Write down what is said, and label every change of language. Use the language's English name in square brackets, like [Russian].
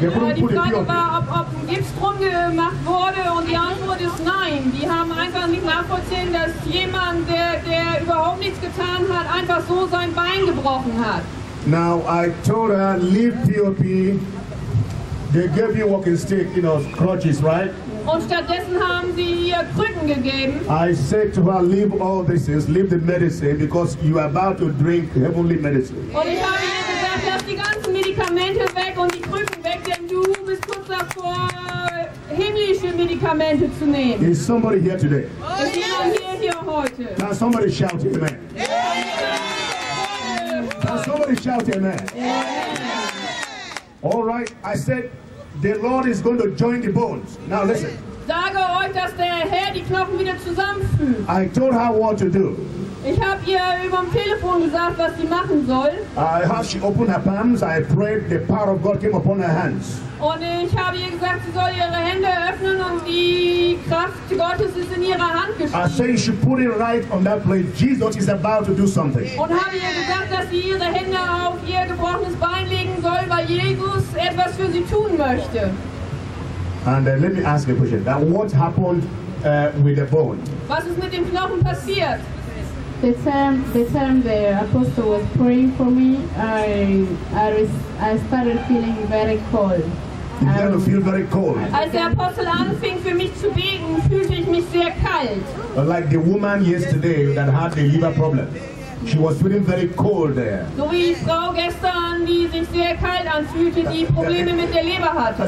[German] Die Frage war, ob ein Gips drum gemacht wurde und die Antwort ist nein. Die haben einfach nicht nachvollziehen, dass jemand, der überhaupt nichts getan hat, einfach so sein Bein gebrochen hat. [English] Now I told her, leave POP. They gave you walking stick, you know, crutches, right? [German] Und stattdessen haben sie ihr Krücken gegeben. [English] I said to her, leave all this, leave the medicine, because you are about to drink heavenly medicine. [German] Und ich habe ihr gesagt, lass die ganzen Medikamente weg und die Krücken weg, denn du bist kurz davor, himmlische Medikamente zu nehmen. [English] Is somebody here today? [German] Ist jemand hier heute? [English] Can somebody shout amen? Amen! Can somebody shout amen? Amen! All right, I said, the Lord is going to join the bones. Now listen. [German] Sage euch, dass der Herr die Knochen wieder zusammenfügt. [English] I told her what to do. [German] Ich habe ihr über Telefon gesagt, was sie machen soll. [English] I have she opened her palms. I prayed the power of God came upon her hands. [German] Und ich habe ihr gesagt, sie soll ihre Hände öffnen und die Kraft Gottes ist in ihrer Hand geschrieben. [English] I say you should put it right on that place. Jesus is about to do something. [German] Und habe ihr gesagt, dass sie ihre Hände auf ihr gebrochenes Bein legen soll, weil Jesus etwas für sie tun möchte. [English] And let me ask you a question. That what happened with the bone? [German] Was ist mit dem Knochen passiert? [English] The time the apostle was praying for me, I started feeling very cold. You began to feel very cold. [German] Als der Apostel anfing für mich zu beten, fühlte ich mich sehr kalt. [English] Like the woman yesterday that had the liver problem. She was feeling very cold there. [German] So wie die Frau gestern, die sich sehr kalt anfühlte, die Probleme mit der Leber hatte.